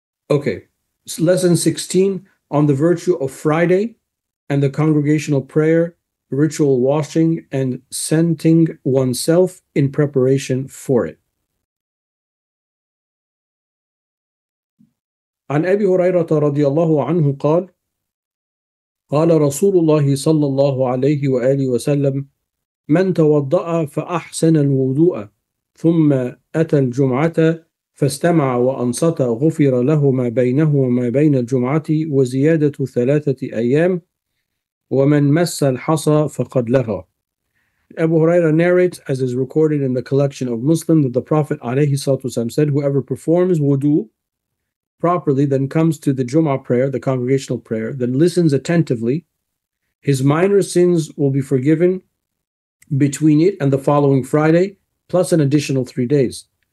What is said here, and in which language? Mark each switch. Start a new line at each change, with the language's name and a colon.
English: Okay, so lesson 16, on the virtue of Friday and the congregational prayer, ritual washing, and scenting oneself in preparation for it.
Arabic: عن أبي هريرة رضي الله عنه قال قال رسول الله صلى الله عليه وآله وسلم من توضأ فأحسن الوضوء ثم أتى الجمعة فاستمع وأنصت غفر له ما بينه وما بين الجمعة وزيادة ثلاثة أيام ومن مس الحصى فقد لغى.
English: Abu Huraira narrates, as is recorded in the collection of Muslim, that the Prophet
Arabic: عليه الصلاة والسلام
English: said, whoever performs wudu properly, then comes to the Jum'ah prayer, the congregational prayer, then listens attentively, his minor sins will be forgiven between it and the following Friday, plus an additional 3 days.